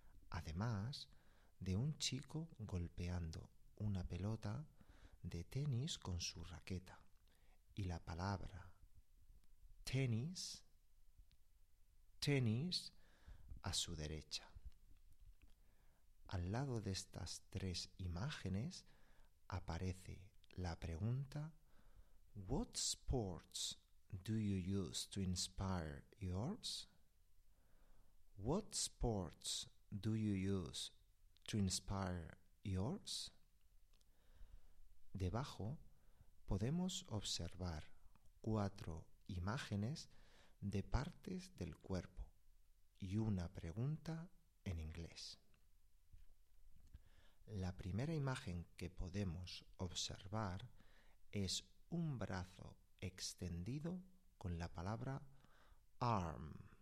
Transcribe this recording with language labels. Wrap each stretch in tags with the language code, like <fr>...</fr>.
<es>Además de un chico golpeando una pelota de tenis con su raqueta y la palabra tenis, tenis a su derecha. Al lado de estas tres imágenes aparece la pregunta</es> <en>What sports do you use to inspire yours? What sports do you use to inspire yours?</en> <es>Debajo podemos observar cuatro imágenes de partes del cuerpo y una pregunta en inglés. La primera imagen que podemos observar es un brazo extendido con la palabra arm.</es>